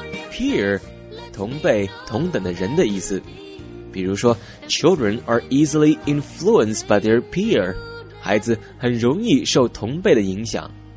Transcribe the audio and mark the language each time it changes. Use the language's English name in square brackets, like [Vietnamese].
[Chinese] Peer, 同辈、同等的人的意思。比如说 [English] ,Children are easily influenced by their peer. [Chinese] 孩子很容易受同辈的影响。